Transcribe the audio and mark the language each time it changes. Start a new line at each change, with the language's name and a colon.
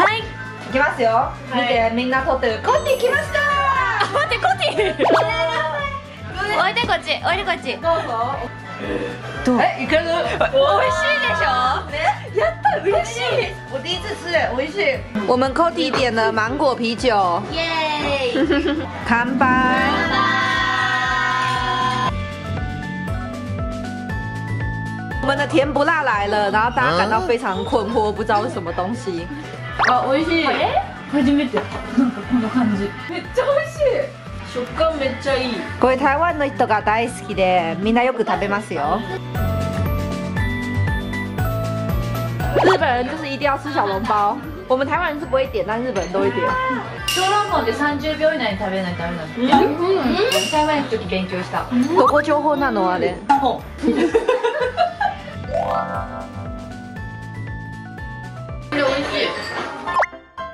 Japanese: はい、行きますよ。見て、みんな撮ってる。コッティ来ました。あ、待って、コッティ。おいでこっち、おいでこっち、どうぞ。どう？え、いける。美味しいでしょ。やった、嬉しい。
Chinese: 我第一次吃耶，
Japanese: 美味しい。
Chinese: 我们 Cody 点了芒果啤酒。耶！
Japanese: 乾杯！乾杯！
Chinese: 我们的甜不辣来了，然后大家感到非常困惑，不知道是什么东西。
Japanese: 啊，美味しい。え？初めて。なんかこんな感じ。めっちゃ美味しい。食感めっちゃいい。これ台湾の人が大好きで、みんなよく食べますよ。
Chinese: 日本人就是一定要吃小笼包，我们台湾人是不会点，但日本人都会点。
Japanese: 小笼包で30秒以内に食べないとダメなの。台湾の時勉強した。どこ情報なのあれ？本。美味しい。